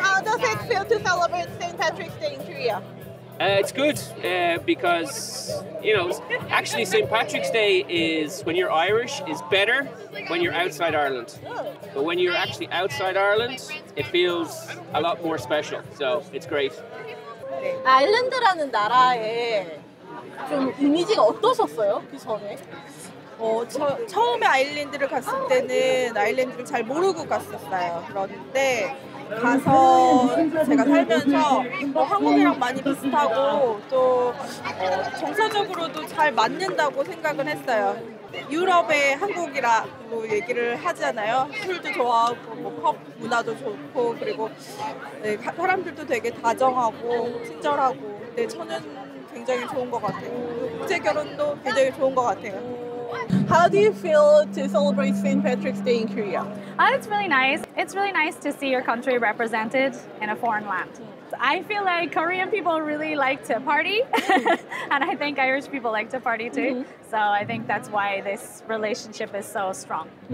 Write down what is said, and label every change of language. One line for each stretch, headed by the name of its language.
English: How does it feel to celebrate St. Patrick's Day in Korea? It's good because, you know, actually St. Patrick's Day is, when you're Irish, is better when you're outside Ireland. But when you're actually outside Ireland, it feels a lot more special. So it's great.
Korean: 아일랜드라는 나라에 좀 이미지가 어떠셨어요, 그 전에? 처음에 아일랜드를 갔을 때는 아일랜드를 잘 모르고 갔었어요. 그런데 가서 제가 살면서 뭐 한국이랑 많이 비슷하고 또 정서적으로도 잘 맞는다고 생각을 했어요. 유럽의 한국이라고 얘기를 하잖아요. 술도 좋아하고 뭐 펍 문화도 좋고 그리고 네, 사람들도 되게 다정하고 친절하고 네, 저는 굉장히 좋은 것 같아요. 국제 결혼도 굉장히 좋은 것 같아요.
English: How do you feel to celebrate St. Patrick's Day in Korea? It's really nice. It's really nice to see your country represented in a foreign land. I feel like Korean people really like to party. And I think Irish people like to party too. Mm-hmm. So I think that's why this relationship is so strong.